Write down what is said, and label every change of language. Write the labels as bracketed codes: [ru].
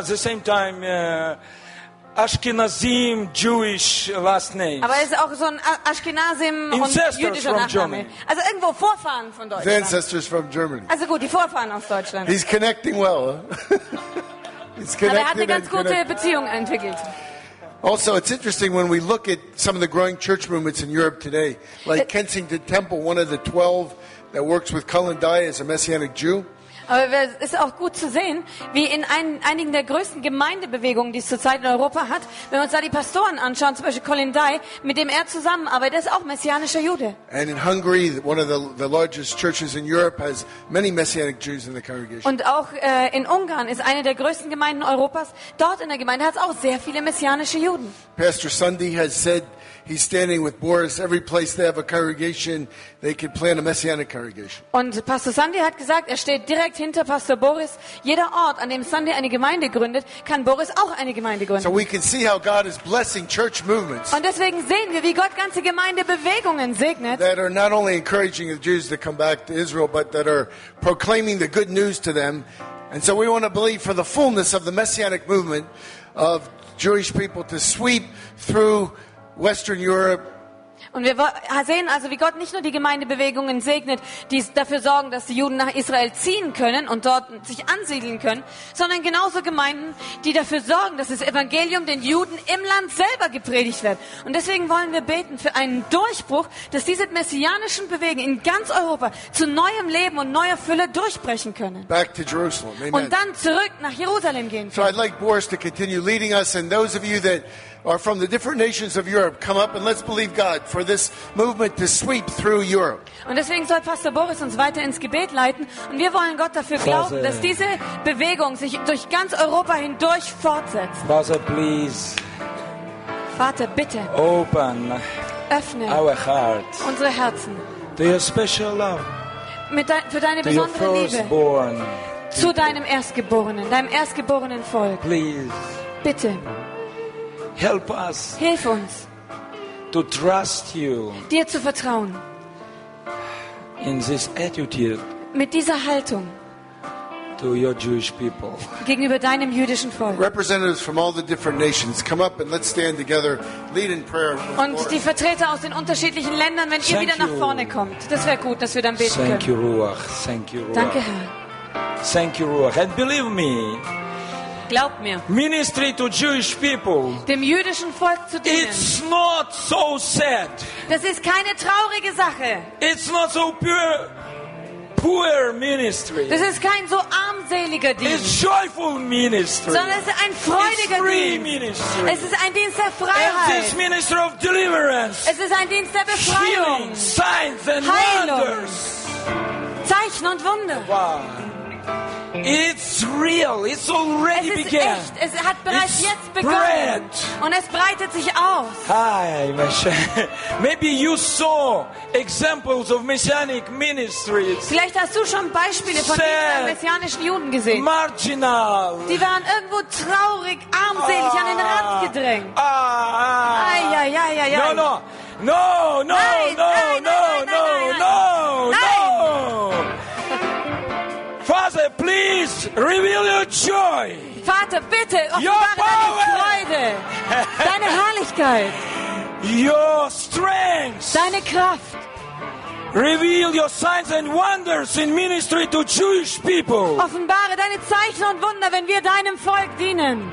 [en] It's the same time Ashkenazim Jewish last name. [de] Aber es ist auch so ein Ashkenazim [en] ancestors [de] und jüdischer [en] from [de] Nachname. [en] Germany. [de] Also irgendwo Vorfahren von Deutschland. [en] The ancestors from Germany. [de] Also gut, die Vorfahren aus Deutschland. [en] He's connecting well. [de] Aber er hat eine ganz gute Beziehung entwickelt. [en] Also, it's interesting when we look at some of the growing church movements in Europe today, like Kensington Temple, one of the 12 that works with Cullen Dye as a Messianic Jew. [de] Aber es ist auch gut zu sehen, wie in einigen der größten Gemeindebewegungen, die es zurzeit in Europa hat, wenn wir uns da die Pastoren anschauen, zum Beispiel Cullen Dye, mit dem er zusammenarbeitet, ist auch messianischer Jude. [en] And in Hungary, one of the largest churches in Europe has many Messianic Jews in the congregation. [de] Und auch in Ungarn ist eine der größten Gemeinden Europas. Dort in der Gemeinde hat es auch sehr viele messianische Juden. [en] Pastor Sunday has said he's standing with Boris. Every place they have a congregation, they can plan a messianic congregation. [de] Und Pastor Sunday hat gesagt, er steht direkt hinter Pastor Boris. Jeder Ort, an dem Sunday eine Gemeinde gründet, kann Boris auch eine Gemeinde gründen. [en] So we can see how God is blessing church movements. [de] Und deswegen sehen wir, wie Gott ganze Gemeindebewegungen segnet. [en] That are not only encouraging the Jews to come back to Israel, but that are proclaiming the good news to them. And so we want to believe for the fullness of the messianic movement of Jewish people to sweep through Western Europe. [de] Und wir sehen also, wie Gott nicht nur die Gemeindebewegungen segnet, die dafür sorgen, dass die Juden nach Israel ziehen können und dort sich ansiedeln können, sondern genauso Gemeinden, die dafür sorgen, dass das Evangelium den Juden im Land selber gepredigt wird. Und deswegen wollen wir beten für einen Durchbruch, dass diese messianischen Bewegungen in ganz Europa zu neuem Leben und neuer Fülle durchbrechen können. [en] Back to Jerusalem. Amen. [de] Und dann zurück nach Jerusalem gehen können. [en] So I'd like Boris to continue leading us, and those of you that or from the different nations of Europe, come up and let's believe God for this movement to sweep through Europe. [de] Und deswegen soll Pastor Boris uns weiter ins Gebet leiten, und wir wollen Gott dafür glauben, dass diese Bewegung sich durch ganz Europa hindurch fortsetzt. [en] Father, please. [de] Vater, bitte. [en] Open. [de] Öffne. [en] Our hearts. [de] Unsere Herzen. [en] To your special love. [de] Für deine besondere Liebe. [en] To your firstborn. [de] Zu deinem Erstgeborenen, deinem Erstgeborenen Volk. [en] Please. [de] Bitte. [en] Help us. [de] Hilf uns. [en] To trust you. [de] Dir zu vertrauen. [en] In this attitude. [de] Mit dieser Haltung. [en] To your Jewish people. [de] Gegenüber deinem jüdischen Volk. [en] Representatives from all the different nations, come up and let's stand together, lead in prayer. [de] Und die Vertreter aus den unterschiedlichen Ländern, wenn ihr wieder nach vorne kommt, das wäre gut, dass wir dann beten können. [en] Thank you, Ruach. Thank you, Ruach. [de] Danke, Herr. [en] Thank you, Ruach. And believe me. [de] Glaub mir. [en] Ministry to Jewish people. [de] Dem jüdischen Volk zu dienen. [en] It's not so sad. [de] Das ist keine traurige Sache. [en] It's not so pure, poor ministry. [de] Das ist kein so armseliger Dienst. [en] It's joyful ministry. [de] Sondern es ist ein freudiger [en] It's free [de] Dienst. [en] Ministry. [de] Es ist ein Dienst der Freiheit. [en] And this ministry of deliverance. [de] Es ist ein Dienst der Befreiung. [en] Healing, signs and [de] Heilung. [en] Wonders. [de] Zeichen und Wunder. [en] Wow. It's real. It's already [de] es ist [en] began. [de] Echt. Es hat bereits [en] It's [de] jetzt begonnen. [en] Spread. [de] Und es breitet sich aus. [en] Hi, maybe you saw examples of messianic ministries. [de] Vielleicht hast du schon Beispiele von diesen messianischen Juden gesehen. [en] Marginal. [de] Die waren irgendwo traurig, armselig an den Rand gedrängt. [en] No, no. No, no, [de] nein, [en] no, [de] nein, [en] no, [de] nein, [en] no, [de] nein, [en] no, [de] nein. [en] No. Father, please reveal your joy. [de] Vater, bitte offenbare deine Freude, deine Herrlichkeit, [en] your strength, [de] deine Kraft. [en] Reveal your signs and wonders in ministry to Jewish people. [de] Offenbare deine Zeichen und Wunder, wenn wir deinem Volk dienen.